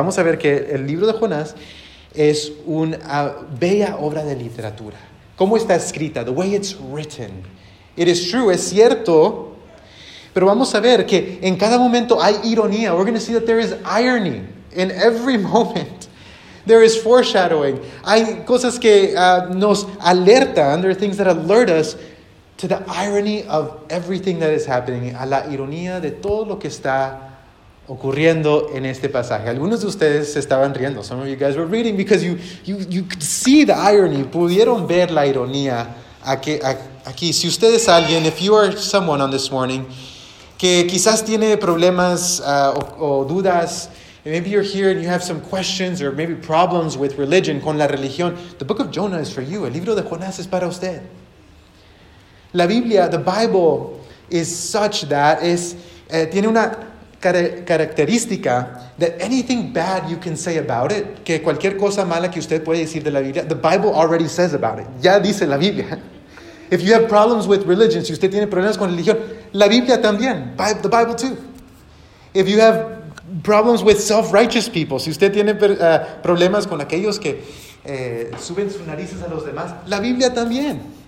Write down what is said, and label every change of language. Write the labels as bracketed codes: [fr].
[es] Vamos a ver que el libro de Jonás es una bella obra de literatura. ¿Cómo está escrita? [en] The way it's written. It is true, [es] es cierto. Pero vamos a ver que en cada momento hay ironía. [en] We're going to see that there is irony in every moment. There is foreshadowing. [es] Hay cosas que nos alertan. [en] There are things that alert us to the irony of everything that is happening. [es] A la ironía de todo lo que está ocurriendo en este pasaje. Algunos de ustedes estaban riendo. [en] Some of you guys were reading because you could see the irony. [es] Pudieron ver la ironía aquí. Si usted es alguien, [en] if you are someone on this morning, [es] que quizás tiene problemas o dudas, [en] maybe you're here and you have some questions or maybe problems with religion, [es] con la religión. [en] The book of Jonah is for you. [es] El libro de Jonás es para usted. La Biblia, [en] the Bible, is such that is [es] tiene una característica [en] that anything bad you can say about it, [es] que cualquier cosa mala que usted puede decir de la Biblia, [en] the Bible already says about it. [es] Ya dice la Biblia. [en] If you have problems with religion, [es] si usted tiene problemas con religión, la Biblia también. [en] The Bible too. If you have problems with self-righteous people. [es] Si usted tiene problemas con aquellos que suben sus narices a los demás, la Biblia también.